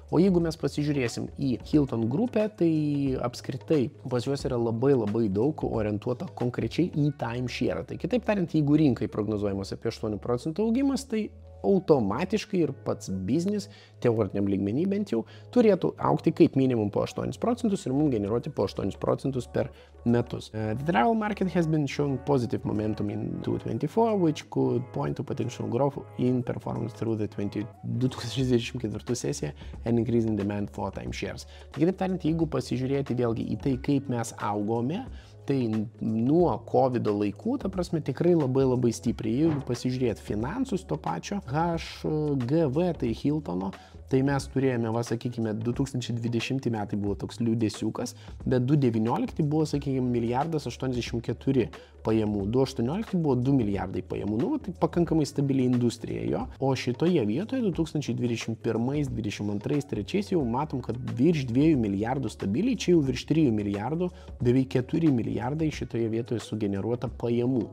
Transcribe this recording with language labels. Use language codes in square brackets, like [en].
[lt] O jeigu mes pasižiūrėsim į Hilton grupę, tai apskritai pas juos yra labai labai daug orientuota konkrečiai į timeshare. Tai kitaip tariant, jeigu rinkai prognozuojamos apie 8% augimas, tai automatiškai ir pats biznis, teoriniam lygmenį bent jau, turėtų aukti kaip minimum po 8% ir mums generuoti po 8% per metus. [en] The travel market has been shown positive momentum in 2024, which could point to potential growth in performance through the 2024 sesiją and increasing demand for timeshares. [lt] Taigi, taip tariant, jeigu pasižiūrėti vėlgi į tai, kaip mes augome, tai nuo COVID-o laikų, ta prasme, tikrai labai labai stipriai, jeigu pasižiūrėt finansus to pačio, HGV, tai Hiltono, tai mes turėjome, va, sakykime, 2020 metai buvo toks liūdesiukas, bet 2019 buvo, sakykime, 1,84 milijardo pajamų, 2018 buvo 2 milijardai pajamų, nu, va, tai pakankamai stabiliai industrija jo, o šitoje vietoje 2021, 2022, 2023 jau matom, kad virš 2 milijardų stabiliai, čia jau virš 3 milijardų, beveik 4 milijardai šitoje vietoje sugeneruota pajamų.